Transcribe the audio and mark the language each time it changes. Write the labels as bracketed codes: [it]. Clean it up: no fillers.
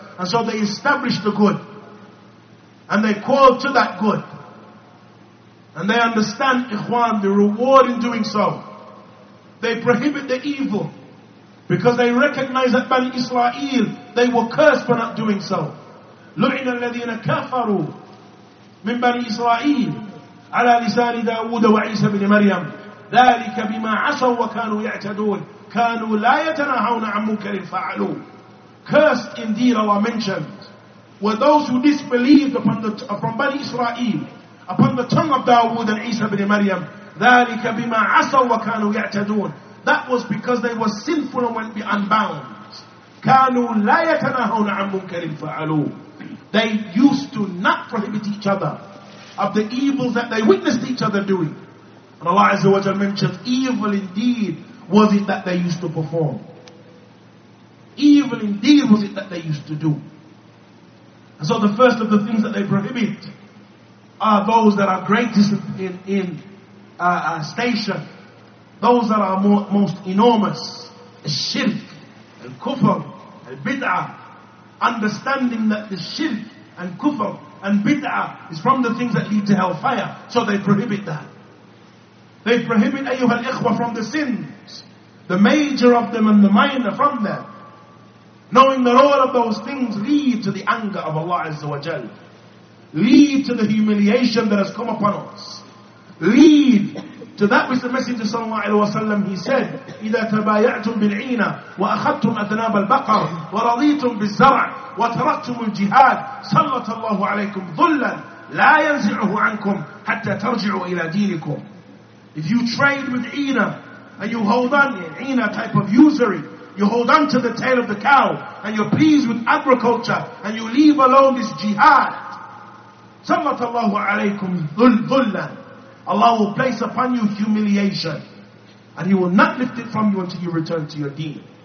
[en] And so they establish the good. And they call to that good. And they understand, ikhwan, the reward in doing so. They prohibit the evil. Because they recognize that Bani Israel, they were cursed for not doing so. [ar] لُعِنَ الَّذِينَ كَفَرُوا مِنْ بَنِي إِسْرَائِيلِ على لسان داود وعيسى بن مريم ذلك بما عصوا وكانوا يعتدون كانوا لا يتناهون عن منكر فعلوا. [en] Cursed indeed, Allah mentioned, were those who disbelieved upon the from Bani Israel upon the tongue of Dawood and Isa bin Maryam. [ar] ذلك بما عصوا وكانوا يعتدون. [en] That was because they were sinful and went unbound. [ar] كانوا لا يتناهون عن منكر فعلوا. [en] They used to not prohibit each other of the evils that they witnessed each other doing. And Allah Azza wa Jalla mentioned, evil indeed was it that they used to perform. Evil indeed was it that they used to do. And so the first of the things that they prohibit are those that are greatest in station. Those that are most enormous. Shirk, al-kufr, al-bid'ah. Understanding that the shirk and kufr and bid'ah is from the things that lead to hellfire. So they prohibit that. They prohibit, ayyuhal ikhwah, from the sins. The major of them and the minor from them. Knowing that all of those things lead to the anger of Allah Azza wa Jal. Lead to the humiliation that has come upon us. Lead to that which the Messenger sallallahu alayhi wa sallam, he said, [ar] إِذَا تَبَايَعْتُمْ بِالْعِينَ وَأَخَدْتُمْ أَذْنَابَ الْبَقَرِ وَرَضِيتُمْ بِالزَّرْعِ وَتَرَكْتُمُ الْجِهَادِ سَلَّطَ اللَّهُ عَلَيْكُمْ ظُلًّا لَا يَنْزِعُهُ عَنْكُمْ حَتَّى تَرْجِعُوا إِلَى دِينِكُمْ. [en] If you trade with عِينَ and you hold on, عِينَ type of usury, you hold on to the tail of the cow and you're pleased with agriculture and you leave alone this jihad, [ar] سَلَّطَ اللَّهُ عَلَيْكُمْ ظُلًّا, [en] Allah will place upon you humiliation and He will not lift it from you until you return to your deen.